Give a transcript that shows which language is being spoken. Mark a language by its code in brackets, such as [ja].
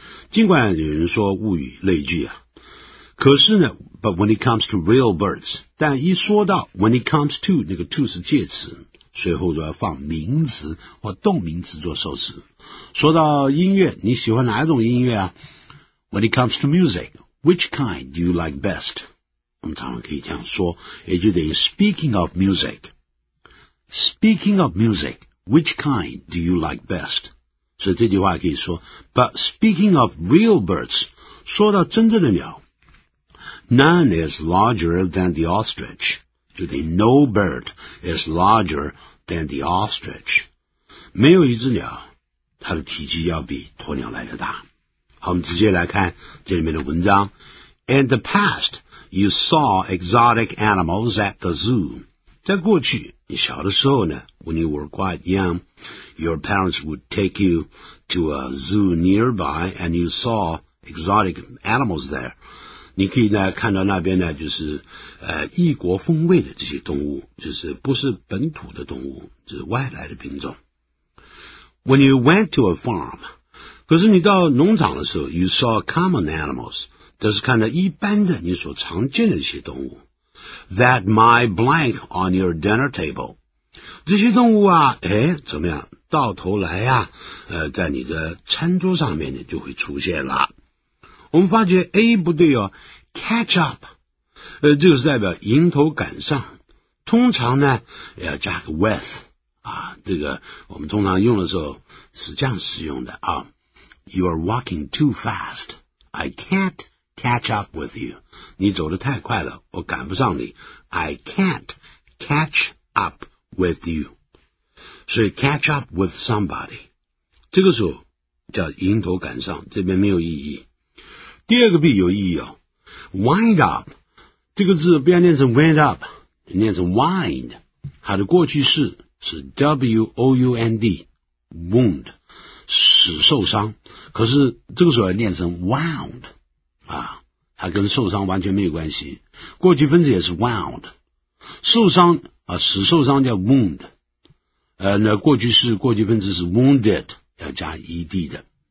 [zh] 尽管有人说物以类聚啊，可是呢 [en] But when it comes to real birds， [zh] 但一说到 when it comes to， 那个 to 是介词，随后就要放名词或动名词做受词。说到音乐，你喜欢哪一种音乐啊？ [en] When it comes to music， which kind do you like best？ [zh] 我们常常可以这样说，也就等于 [en] speaking of music， speaking of music， which kind do you like best？ [zh] 所以这句话可以说 [en] But speaking of real birds， [zh] 说到真正的鸟， [en] None is larger than the ostrich. Today, no bird is larger than the ostrich. [zh] 没有一只鸟，它的体积要比鸵鸟来得大。好，我们直接来看这里面的文章。 [en] In the past, you saw exotic animals at the zoo. [zh] 在过去，你小的时候呢 [en] ，when you were quite young, your parents would take you to a zoo nearby, and you saw exotic animals there. [zh] 你可以呢看到那边呢就是异国风味的这些动物，就是不是本土的动物，就是外来的品种。 [en] When you went to a farm， [zh] 可是你到农场的时候 ， [en] you saw common animals， [zh] 这是看到一般的你所常见的这些动物。 [en] That might blank on your dinner table， [zh] 这些动物啊，怎么样？到头来呀、在你的餐桌上面呢就会出现了。我们发觉 A 不对哦 catch up， 这个是代表迎头赶上，通常呢要加个 with 啊，这个我们通常用的时候是这样使用的啊。 [en] You are walking too fast, I can't catch up with you. [zh] 你走得太快了，我赶不上你。 [en] I can't catch up with you. [zh] 所以 catch up with somebody， 这个时候叫迎头赶上，这边没有意义。第二个 B 有意义哦， wind up， 这个字不要念成 wind up， 念成 wind， 它的过去式是 w-o-u-n-d， wound， 使受伤，可是这个时候要念成 wound， 啊，它跟受伤完全没有关系，过去分词也是 wound， 受伤啊，使受伤叫 wound， 那过去式过去分词是 wounded， 要加 ed 的，